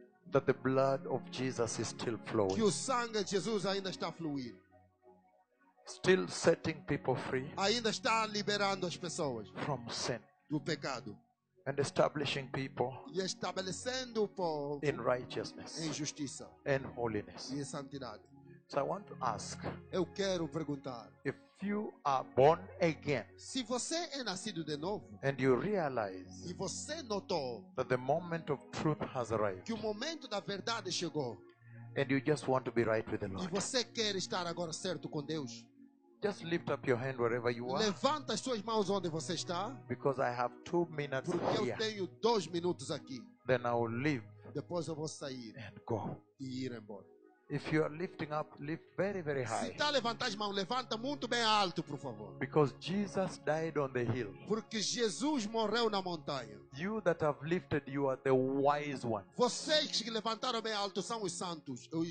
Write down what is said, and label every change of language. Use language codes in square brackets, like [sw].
[en] That the blood of Jesus is still flowing. [pt] Que o sangue de Jesus ainda está fluindo. [en] Still setting people free. [pt] Ainda está liberando as pessoas. [en] From sin. [pt] Do pecado. [en] And establishing people. [pt] E estabelecendo o povo. [en] In righteousness. [pt] Em justiça. [en] And holiness. [pt] E em santidade. [en] So I want to ask. [pt] Eu quero perguntar. [en] If you are born again. [pt] Se você é nascido de novo. [en] And you realize. [pt] E você notou. [en] That the moment of truth has arrived. [pt] Que o momento da verdade chegou. [en] And you just want to be right with the Lord. [pt] E você quer estar agora certo com Deus. [en] Just lift up your hand wherever you are. [pt] Levanta as suas mãos onde você está. [en] Because I have 2 minutes [pt] porque [en] here. [pt] Porque eu tenho 2 minutos aqui. [en] Then I will leave. [pt] Depois eu vou sair. [en] And go. [pt] E ir embora. [en] If you are lifting up, lift very, very high. [pt] Se está levantando as mãos, levanta muito bem alto, por favor. [en] Because Jesus died on the hill. [pt] Porque Jesus morreu na montanha. [en] You that have lifted, you are the wise one. [pt] Vocês que levantaram bem alto são os santos.